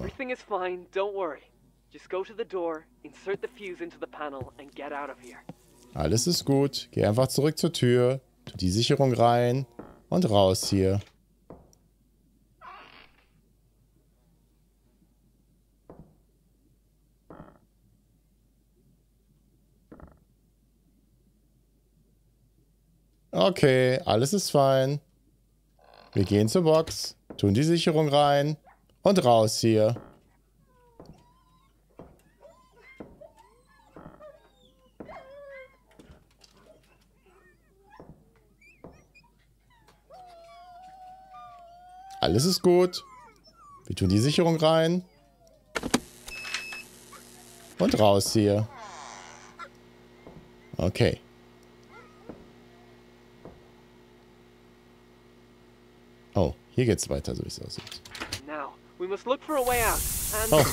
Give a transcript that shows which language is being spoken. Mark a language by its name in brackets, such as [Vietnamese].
[English] Everything is fine, don't worry. Just go to the door, insert the fuse into the panel and get out of here. [German] Alles ist gut. Geh einfach zurück zur Tür, tu die Sicherung rein und raus hier. Okay, alles ist fein. Wir gehen zur Box, tun die Sicherung rein und raus hier. Alles ist gut. Wir tun die Sicherung rein und raus hier. Okay. Oh, hier geht's weiter, so wie es aussieht. [English] Now, we must look for a way out, and...